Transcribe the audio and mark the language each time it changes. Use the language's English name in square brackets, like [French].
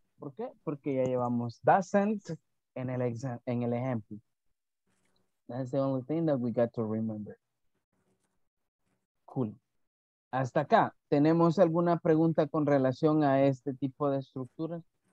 [Spanish] ¿Por qué? Porque ya llevamos doesn't en el ejemplo. [English] That's the only thing that we got to remember. [Spanish] Cool. Hasta acá. ¿Tenemos alguna pregunta con relación a este tipo de estructuras?